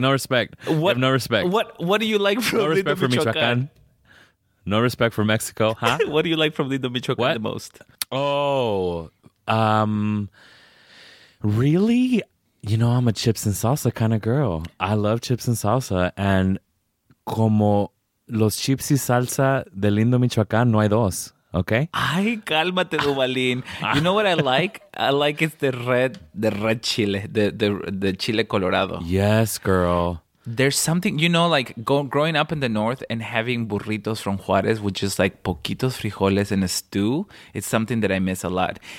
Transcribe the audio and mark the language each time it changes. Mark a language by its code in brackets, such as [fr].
[en] No respect. What, I have no respect. What do you like from Lindo Michoacán? No respect for Michoacán. No respect for Mexico, huh? What do you like from Lindo Michoacán the most? Oh, really? You know, I'm a chips and salsa kind of girl. I love chips and salsa. [es] And como los chips y salsa de Lindo Michoacán, no hay dos. [en] Okay? [es] Ay, cálmate, [en] Duvalín. You know what I like? I like it's the red chile, the chile colorado. Yes, girl. There's something, you know, like growing up in the north and having burritos from Juarez, which is like [es] poquitos frijoles [en] in a stew, it's something that I miss a lot.